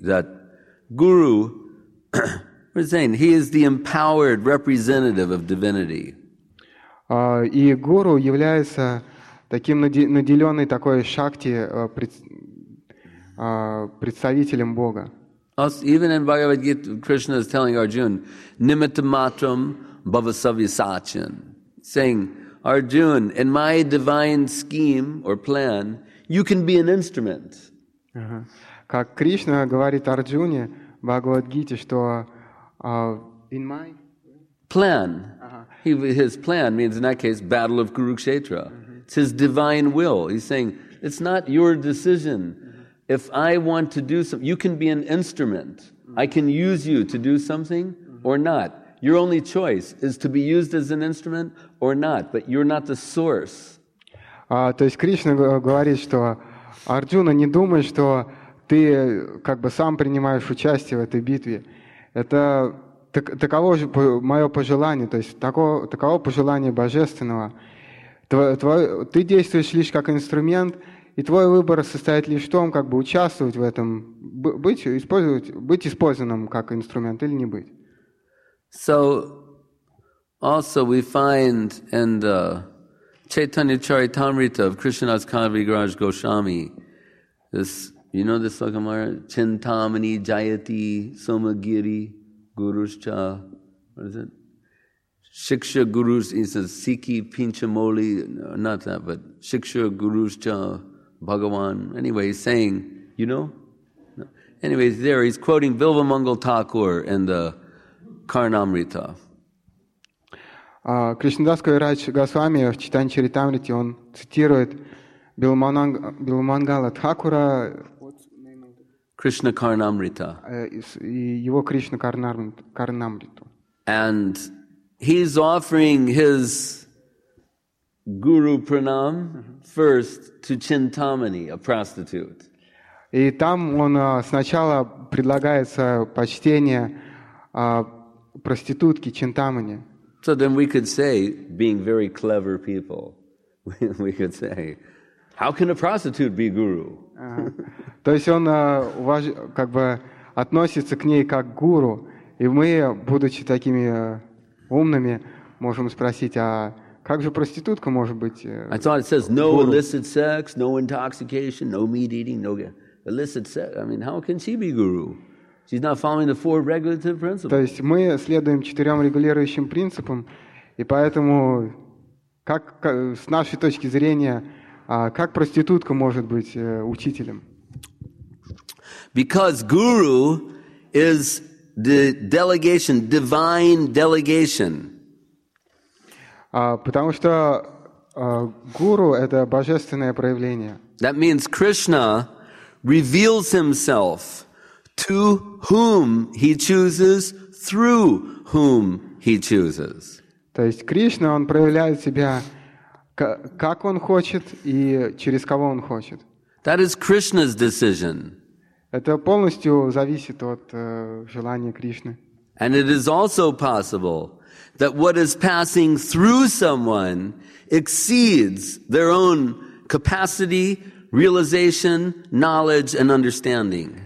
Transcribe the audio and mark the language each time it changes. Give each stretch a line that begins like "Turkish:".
English: That guru, we're saying, he is the empowered representative of divinity.
Russian: И гуру является таким наделенный такой шакти представителем Бога.
English: Even in Bhagavad Gita, Krishna is telling Arjuna,
Sanskrit: nimittamatram bhavasavyasachin,
English: saying, Arjuna, in my divine scheme or plan, you can be an instrument.
Russian: Как Кришна говорит Арджуне в Бхагавад-гите, что
English: in my plan, his plan means in that case battle of Kurukshetra. It's his divine will. He's saying it's not your decision. If I want to do something, you can be an instrument. I can use you to do something or not. Your only choice is to be used as an instrument or not, but you're not the source.
Russian: То есть Кришна говорит, что Арджуна, не думай, что ты как бы сам принимаешь участие в этой битве. Это таково же мое пожелание, то есть таково пожелание божественного. Ты действуешь лишь как инструмент, и твой выбор состоит лишь в том, как бы участвовать в этом, быть использованным как инструмент или не быть.
English: So, also we find in the Chaitanya Charitamrita of Krishnadas Kaviraj Goswami, this, you know this Sakamara?
Sanskrit: Chintamani Jayati Somagiri Gurushcha,
English: what is it? Shiksha Gurus, he says, Siki Pinchamoli, not that, but Shiksha Gurushcha Bhagavan. Anyway, he's saying, you know? No. Anyways, there, he's quoting Vilva Mangal Thakur in the Карнамрита.
Russian: Кришнадас Кавирадж Госвами в Чайтанья Чаритамрите он цитирует Билмангала Тхакура. Кришна Карнамрита. Его Кришна Карнамриту.
English: And he's offering his guru pranam first to Chintamani, a prostitute.
Russian: И там он сначала предлагает свое почтение проститутки Чинтамани.
English: So then we could say, being very clever people, we could say, how can a prostitute be guru?
Russian: То есть он как бы относится к ней как гуру, и мы, будучи такими умными, можем спросить, а как же проститутка может быть?
English: I thought it says no illicit sex, no intoxication, no meat eating, no illicit sex. I mean, how can she be guru? She's not following the four regulative principles.
Russian: То есть мы следуем четырем регулирующим принципам, и поэтому, с нашей точки зрения, как проститутка может быть учителем?
English: Because guru is the delegation, divine delegation.
Russian: Потому что гуру — это божественное проявление.
English: That means Krishna reveals himself to whom he chooses, through whom he chooses.
Russian: То есть Кришна, он проявляет себя как он хочет и через кого он хочет.
English: That is Krishna's decision.
Russian: Это полностью зависит от желания Кришны.
English: And it is also possible that what is passing through someone exceeds their own capacity, realization, knowledge, and understanding.